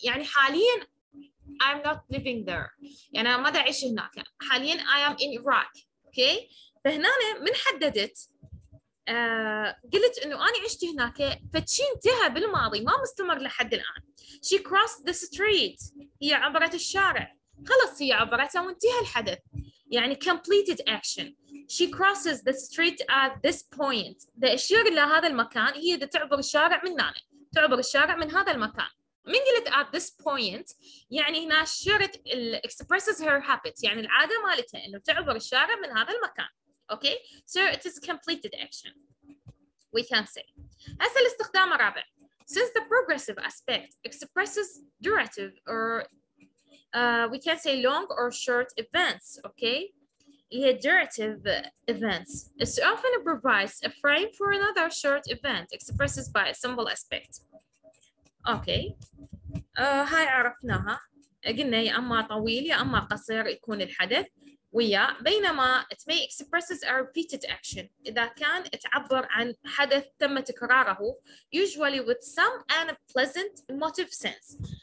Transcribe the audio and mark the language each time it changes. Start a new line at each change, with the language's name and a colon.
Arabic: يعني حالياً
English: I'm not living there.
Arabic: يعني أنا ما أعيش هناك. حالياً
English: I am in Iraq. Okay.
Arabic: فهنا من حددت قلت إنه أنا عشت هناك. فشي انتهى بالماضي ما مستمر لحد الآن.
English: She crossed the street.
Arabic: هي عبرت الشارع. خلص هي عبرتها وانتهى الحدث.
English: يعني completed action. She crosses the street at this point.
Arabic: The إشارة إلى هذا المكان هي تعبر الشارع من هنا. تعبر الشارع من هذا المكان. من قلت
English: at this point
Arabic: يعني هنا شرط
English: expresses her habit
Arabic: يعني العادة مالتها إنه تعبر الشارع من هذا المكان.
English: Okay, so it is completed action. We can say.
Arabic: هسه الاستخدام الرابع.
English: Since the progressive aspect expresses durative or we can say long or short events. Okay. Iterative events. It's often provides a frame for another short event expresses by a simple aspect.
Arabic: Okay. هاي عرفناها. قلنا يا أما طويل يا أما قصير يكون الحدث ويا بينما
English: it may expresses a repeated action.
Arabic: إذا كان تعبر عن حدث تم تكراره
English: usually with some unpleasant emotive sense.